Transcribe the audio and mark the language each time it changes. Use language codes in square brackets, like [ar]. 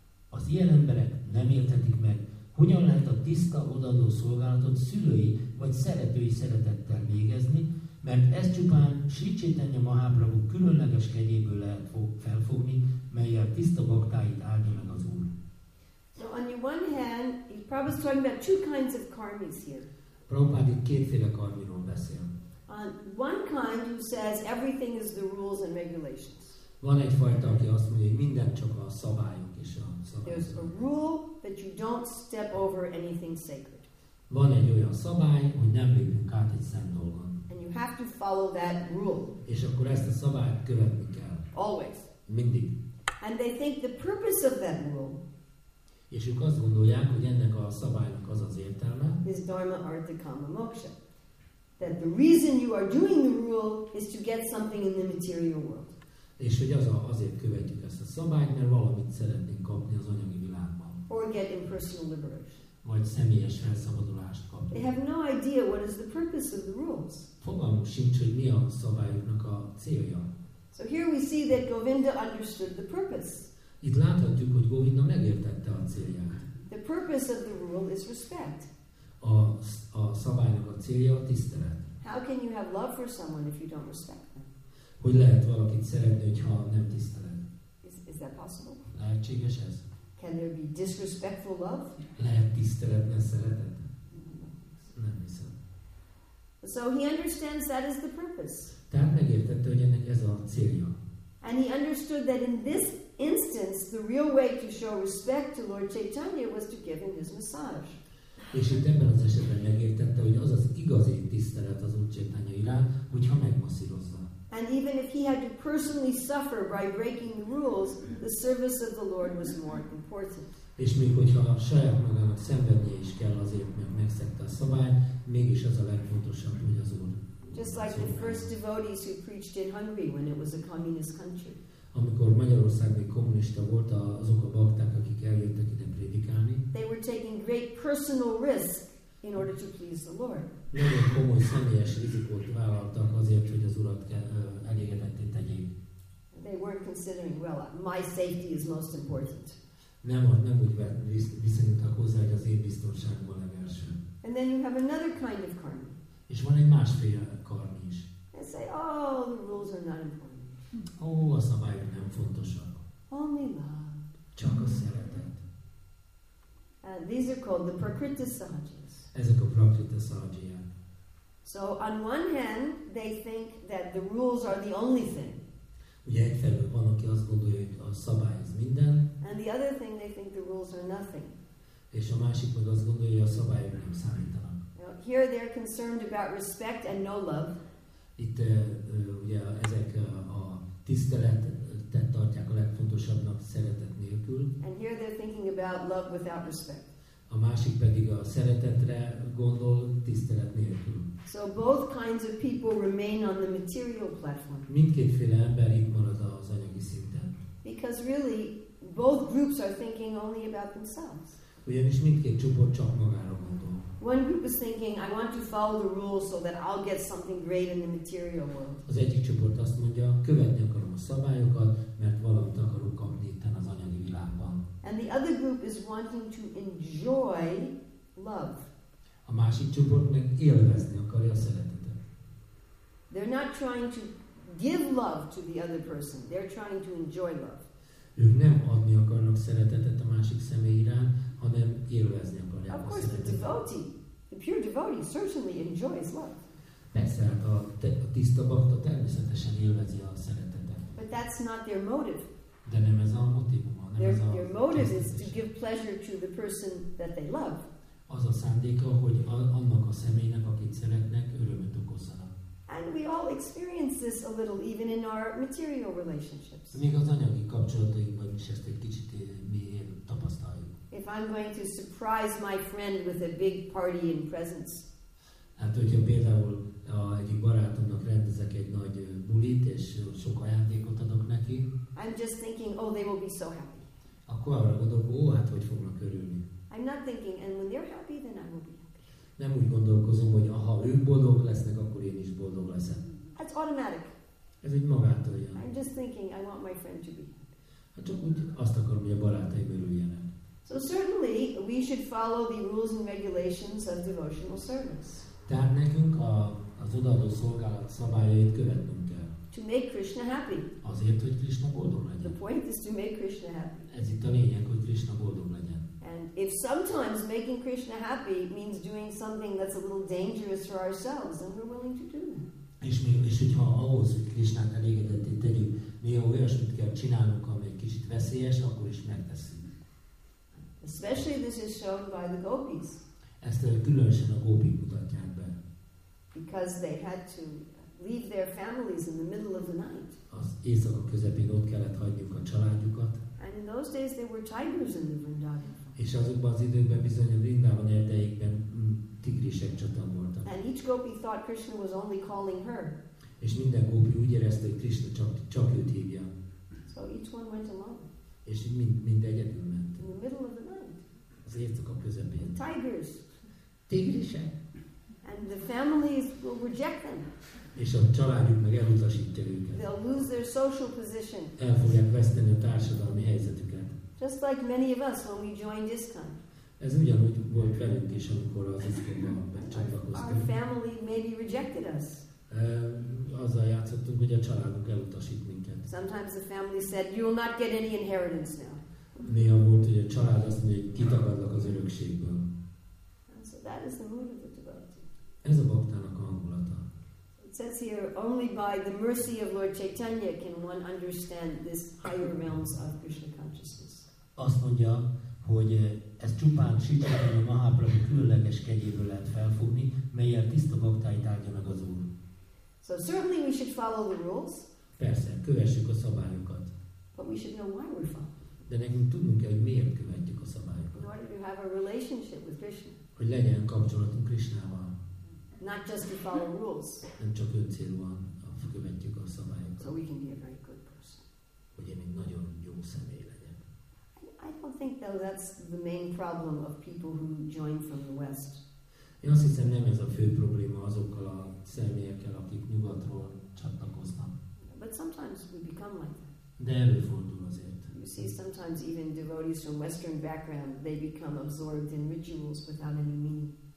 [hu] Az ilyen emberek nem érthetik meg, hogyan lehet a tiszta odaadó szolgálatot szülői vagy szeretői szeretettel végezni, mert ez csupán Sri Chaitanya Mahaprabhu különleges kegyéből lehet felfogni, melyel tiszta baktáit áldja meg az Úr. [en] So on the one hand, Prabhupada is talking about two kinds of karmis here. [hu] Prabhupada itt kétféle karmiról beszél. [en] One kind who says everything is the rules and regulations. [hu] Van egy fajta, aki azt mondja, hogy minden csak a szabályok és a szabályok. [en] There's a rule that you don't step over anything sacred. [hu] Van egy olyan szabály, hogy nem lépünk át egy szent dolgon. [en] Have to follow that rule. [hu] És akkor ezt a szabályt követni kell. [en] Always. [hu] Mindig. [en] And they think the purpose of that rule. [hu] És ők azt gondolják, hogy ennek a szabálynak az az értelme. [en] Is dharma artha kama moksha. That the reason you are doing the rule is to get something in the material world. [hu] És hogy azért követjük ezt a szabályt, mert valamit szeretnénk kapni az anyagi világban. [en] Or get impersonal liberation. [hu] Vagy személyes felszabadulást kapni. [en] They have no idea what is the purpose of the rules. [hu] Fogalmuk sincs, hogy mi a szabályoknak a célja. [en] So here we see that Govinda understood the purpose. [hu] Itt láthatjuk, hogy Govinda megértette a célját. [en] The purpose of the rule is respect. [hu] A szabálynak a célja a tisztelet. [en] How can you have love for someone if you don't respect them? [hu] Hogy lehet valakit szeretni, ha nem tisztelet? [en] Is that possible? [hu] Lehetséges ez? [en] Can there be disrespectful love? [hu] Lehet tiszteletlen szeretet? Nem hiszem. [en] So he understands that is the purpose. [hu] Tehát megértette, hogy ennek ez a célja. [en] And he understood that in this instance, the real way to show respect to Lord Chaitanya was to give him his massage. [hu] És itt ebben az esetben megértette, hogy az az igazi tisztelet az Úr Chaitanya iránt, hogyha megmasszírozza. [en] And even if he had to personally suffer by breaking the rules, the service of the Lord was more important. [hu] És még hogyha a saját magának szenvednie is kell azért, mert megszegte a szabályt, mégis az a legfontosabb, hogy az Úr [en] Just like the first devotees who preached in Hungary when it was a communist country. [hu] Amikor Magyarország még kommunista volt, azok a bakták, akik eljöttek ide prédikálni. [en] They were taking great personal risk in order to please the Lord. [hu] Nagyon komoly személyes rizikót vállaltak azért, hogy az Urat elégedetté tegyék. [en] They weren't considering, well, my safety is most important. [hu] Nem úgy viszonyultak hozzá, hogy az én biztonságom a legelső. [en] And then you have another kind of karma. [hu] És van egy másféle karma is. [en] They say, oh, the rules are not important. [hu] A szabályok nem fontosak. [en] Only love. [hu] Csak a szeretet. [en] And these are called the prakriti sahajas. [hu] Ezek a prakriti sahajak. [en] So on one hand, they think that the rules are the only thing. [hu] Ugye egyfelől van, aki azt gondolja, hogy a szabály az minden. [en] And the other thing, they think the rules are nothing. [hu] És a másik meg azt gondolja, hogy a szabályok nem számítanak. [en] Now, here they're concerned about respect and no love. [hu] Itt ugye ezek a tiszteletet tartják a legfontosabbnak, szeretet nélkül. [en] And here they're thinking about love without respect. [hu] A másik pedig a szeretetre gondol, tisztelet nélkül. [en] So both kinds of people remain on the material platform. [hu] Mindkétféle ember itt marad az anyagi szinten. [en] Because really, both groups are thinking only about themselves. [hu] Ugyanis mindkét csoport csak magára gondol. [en] One group is thinking, I want to follow the rules so that I'll get something great in the material world. [hu] Az egyik csoport azt mondja, követni akarom a szabályokat, mert valamit akarok kapni itten az anyagi világban. [en] And the other group is wanting to enjoy love. [hu] A másik csoport meg élvezni akarja a szeretetet. [en] They're not trying to give love to the other person. They're trying to enjoy love. [hu] Ők nem adni akarnak szeretetet a másik személy iránt, hanem élvezni akarják. [en] Of course, the devotee, the pure devotee, certainly enjoys love. [hu] Persze, hát a tiszta bakta természetesen élvezi a szeretetet. [en] But that's not their motive. [hu] De nem ez a motivum, nem [en] their, [hu] ez a [en] their motive is to give pleasure to the person that they love. [hu] Az a szándéka, hogy annak a személynek, akit szeretnek, örömet okozzanak. [en] And we all experience this a little, even in our material relationships. [hu] Még az anyagi kapcsolatainkban is ezt egy kicsit mi tapasztaljuk. [en] If I'm going to surprise my friend with a big party in presents. [hu] Hát, hogyha például egyik barátomnak rendezek egy nagy bulit, és sok ajándékot adok neki. [en] I'm just thinking, oh, they will be so happy. [hu] Akkor arra gondolok, ó, hát hogy fognak örülni. [en] I'm not thinking, and when they're happy, then I will be happy. [hu] Nem úgy gondolkozom, hogy ha ők boldog lesznek, akkor én is boldog leszek. [en] That's automatic. [hu] Ez egy magától jön. [en] I'm just thinking, I want my friend to be happy. [hu] Hát csak úgy azt akarom, hogy a barátaim örüljenek. [en] So certainly we should follow the rules and regulations of devotional service. [hu] Tehát nekünk az odaadó szolgálat szabályait követnünk kell. [en] To make Krishna happy. [hu] Azért, hogy Krishna boldog legyen. [en] The point is to make Krishna happy. [hu] Ez itt a lényeg, hogy Krishna boldog legyen. [en] And if sometimes making Krishna happy means doing something that's a little dangerous for ourselves, then we're willing to do that. [hu] És hogyha ahhoz, hogy Krishnát elégedetté tegyük, néha olyasmit kell csinálnunk, ami egy kicsit veszélyes, akkor is megteszünk. [en] Especially this is shown by the gopis. [hu] Ezt különösen a gópik mutatják be. [en] Because they had to leave their families in the middle of the night. [hu] Az éjszaka közepén ott kellett hagyniuk a családjukat. [en] And in those days there were tigers in the Vrindavan. [hu] És azokban az időkben bizony a Vrindavan erdejében tigrisek csatán voltak. [en] And each gopi thought Krishna was only calling her. [hu] És minden gópi úgy érezte, hogy Krishna csak őt hívja. [en] So each one went alone. [hu] És mind egyedül ment. [en] In the middle of the night. [hu] Az éjszaka közepén. [en] The tigers. [hu] Tigrisek. [en] And the families will reject them. [hu] És a családjuk meg elutasítja őket. [en] They'll lose their social position. [hu] El fogják veszteni a társadalmi helyzetüket. [en] Just like many of us when we joined ISKCON. [hu] Ez ugyanúgy volt velünk is, amikor az ISKCON-ban megcsatlakoztunk. [en] Our family maybe rejected us. [hu] Azzal játszottunk, hogy a családunk elutasít minket. [en] Sometimes the family said, you will not get any inheritance now. [hu] Néha volt, hogy a család azt mondja, hogy kitagadlak az örökségből. [en] And so that is the mood of the devotee. [hu] Ez a baktának a hangulata. [en] It says here, only by the mercy of Lord Chaitanya can one understand this higher realms of Krishna consciousness. [hu] Azt mondja, hogy ez csupán Chaitanya Mahaprabhu különleges kegyéből lehet felfogni, melyel tiszta baktáit áldja meg az Úr. [en] So certainly we should follow the rules. [hu] Persze, kövessük a szabályokat. [en] But we should know why we're following. [hu] De nekünk tudnunk kell, hogy miért követjük a szabályokat. [en] In order to have a relationship with Krishna. [hu] Hogy legyen kapcsolatunk Krishnával. [en] not just to follow rules. [hu] Nem csak öncélúan követjük a szabályokat. [en] So we can be a very good person. [hu] Hogy én egy nagyon jó személy legyen. [en] I don't think though that's the main problem of people who join from the West. [hu] Én azt hiszem, nem ez a fő probléma azokkal a személyekkel, akik nyugatról csatlakoznak. [en] But sometimes we become like that. [hu] De előfordul azért. [en] You see, sometimes even devotees from Western background, they become absorbed in rituals without any meaning.